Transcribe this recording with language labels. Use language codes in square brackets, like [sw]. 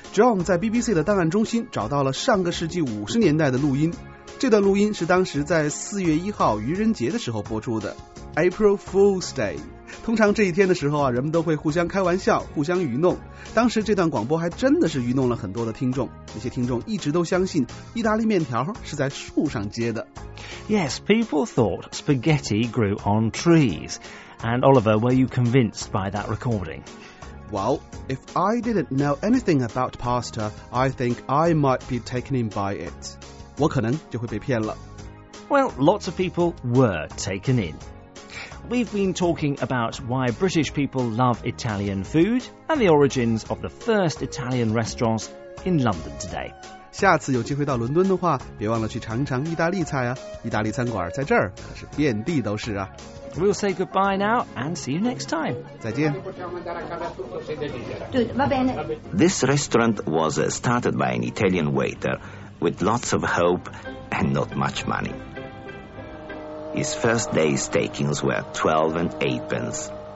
[zh] John 在 BBC 的档案中心找到了上个世纪50年代的录音，这段录音是当时在4月1号愚人节的时候播出的 April Fool's Day。通常这一天的时候啊，人们都会互相开玩笑，互相愚弄。当时这段广播还真的是愚弄了很多的听众，那些听众一直都相信意大利面条是在树上结的。 [en] Yes, people thought spaghetti grew on trees. And Oliver, were you convinced by that recording? Well, if I didn't know anything about pasta, I think I might be taken in by it. [zh] 我可能就会被骗了。 [en] Well, lots of people were taken in. We've been talking about why British people love Italian food and the origins of the first Italian restaurants in London today. [zh] 下次有机会到伦敦的话，别忘了去尝尝意大利菜啊！意大利餐馆在这儿可是遍地都是啊。 [en] We'll say goodbye now and see you next time. [zh] 再见。 [en] This restaurant was started by an Italian waiter with lots of hope and not much money. His first day's takings were 12 and 8 pence.